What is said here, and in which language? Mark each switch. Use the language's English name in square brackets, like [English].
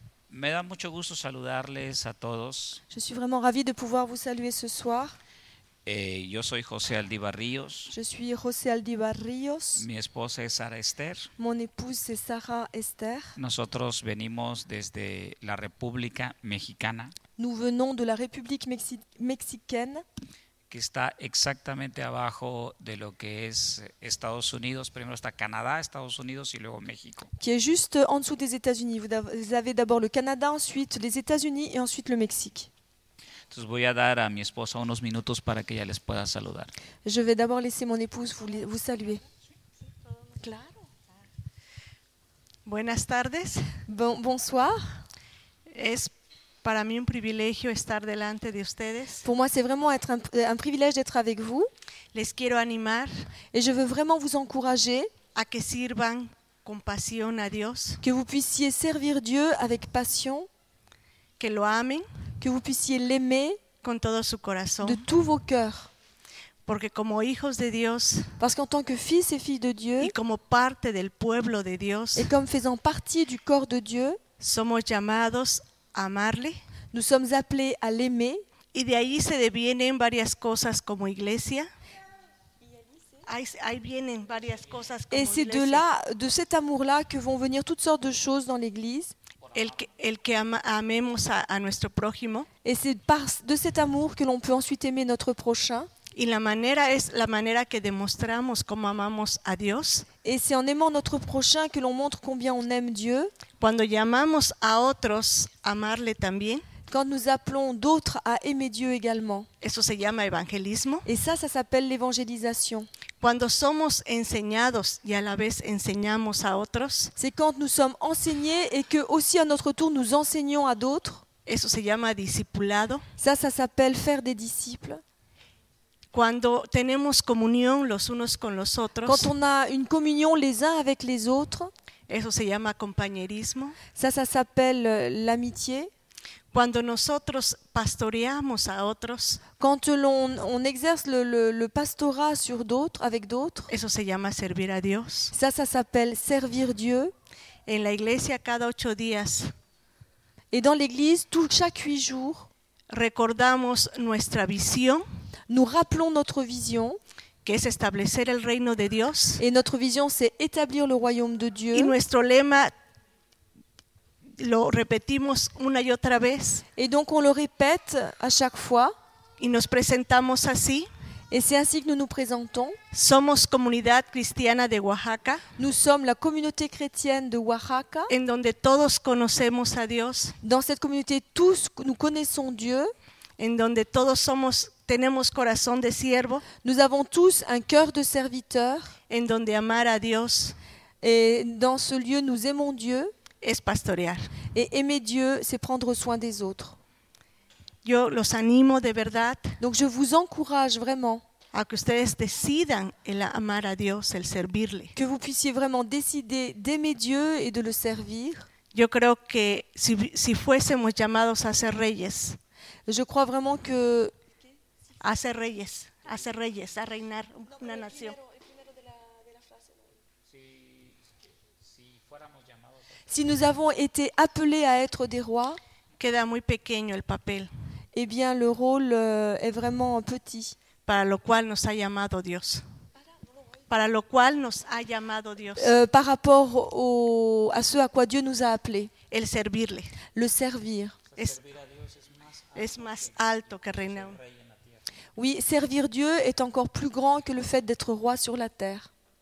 [Spanish] Me da mucho gusto saludarles a todos. [French] Je suis vraiment ravi de pouvoir vous saluer ce soir. [Spanish] Yo soy José Aldíbar Ríos. [French] Je suis José Aldíbar Ríos. [Spanish] Mi esposa es Sara Esther. [French] Mon épouse est Sarah Esther. [Spanish] Nosotros venimos desde la República Mexicana. [French] Nous venons de la République mexicaine. [Spanish] Que está exactamente abajo de lo que es Estados Unidos. Primero está Canadá, Estados Unidos y luego México. [French] Qui est juste en dessous des États-Unis. Vous avez d'abord le Canada, ensuite les États-Unis et ensuite le Mexique. [Spanish] Entonces voy a dar a mi esposa unos minutos para que ella les pueda saludar. [French] Je vais d'abord laisser mon épouse vous saluer. [Spanish] Claro. Buenas tardes. [French] Bonsoir. [Spanish] Es para mí un privilegio estar delante de ustedes. [French] Pour moi, c'est vraiment un privilège d'être avec vous. [Spanish] Les quiero animar. [French] Et je veux vraiment vous encourager. [Spanish] A que sirvan con pasión a Dios. [French] Que vous puissiez servir Dieu avec passion. [Spanish] Que lo amen. [French] Que vous puissiez l'aimer. [Spanish] Con todo su corazón. [French] De tous vos cœurs. [Spanish] Porque como hijos de Dios. [French] Parce qu'en tant que fils et filles de Dieu. [Spanish] Y como parte del pueblo de Dios. [French] Et comme faisant partie du corps de Dieu. [Spanish] Somos llamados. Amarle. [French] Nous sommes appelés à l'aimer. [Spanish] Y de ahí se devienen varias cosas como iglesia. Ahí vienen varias cosas como [French] Et c'est [Spanish] iglesia. [French] De cet amour-là que vont venir toutes sortes de choses dans l'Église. [Spanish] El que amemos a nuestro prójimo. [French] Et c'est de cet amour que l'on peut ensuite aimer notre prochain. [Spanish] Y la manera es la manera que demostramos cómo amamos a Dios. [French] Et c'est en aimant notre prochain que l'on montre combien on aime Dieu. [Spanish] Cuando llamamos a otros amarle también. [French] Quand nous appelons d'autres à aimer Dieu également. [Spanish] Eso se llama evangelismo. [French] Et ça s'appelle l'évangélisation. [Spanish] Cuando somos enseñados y a la vez enseñamos a otros. [French] C'est quand nous sommes enseignés et que aussi à notre tour nous enseignons à d'autres. [Spanish] Eso se llama discipulado. [French] Ça s'appelle faire des disciples. [Spanish] Cuando tenemos comunión los unos con los otros. [French] Quand on a une communion les uns avec les autres. [Spanish] Eso se llama compañerismo. [French] Ça s'appelle l'amitié. [Spanish] Cuando nosotros pastoreamos a otros. [French] Quand on exerce le pastorat sur d'autres avec d'autres. [Spanish] Eso se llama servir a Dios. [French] Ça s'appelle servir Dieu. [Spanish] En la iglesia cada 8 días. [French] Et dans l'église chaque 8 jours. [Spanish] Recordamos nuestra visión. [French] Nous rappelons notre vision, [Spanish] que es establecer el reino de Dios. [French] Et notre vision, c'est établir le royaume de Dieu. [Spanish] Y nuestro lema lo repetimos una y otra vez. [French] Et donc on le répète à chaque fois. [Spanish] Y nos presentamos así. [French] Et c'est ainsi que nous nous présentons. [Spanish] Somos comunidad cristiana de Oaxaca. [French] Nous sommes la communauté chrétienne de Oaxaca. [Spanish] En donde todos conocemos a Dios. [French] Dans cette communauté, tous nous connaissons Dieu. [Spanish] En donde todos somos tenemos corazón de siervo. [French] Nous avons tous un cœur de serviteur. [Spanish] En donde amar a Dios. [French] Et dans ce lieu nous aimons Dieu. [Spanish] Es pastorear. [French] Et aimer Dieu c'est prendre soin des autres. [Spanish] Yo los animo de verdad. [French] Donc je vous encourage vraiment. [Spanish] A que ustedes decidan el amar a Dios, el servirle. [French] Que vous puissiez vraiment décider d'aimer Dieu et de le servir. [Spanish] Yo creo que si fuésemos llamados a ser reyes. [French] Je crois vraiment que [Spanish] A ser reyes, a reinar una nación. [French] Si nous avons été appelés à être des rois, [Spanish] queda muy pequeño el papel. [French] Eh bien, le rôle est vraiment petit. [Spanish] Para lo cual nos ha llamado Dios. Para lo cual nos ha llamado Dios. [French] Par rapport à ce à quoi Dieu nous a appelés. [Spanish] El servirle. [French] Le servir. [Spanish] Es más alto que reinar. [French] Oui, servir Dieu est encore plus grand que le fait d'être roi sur la terre.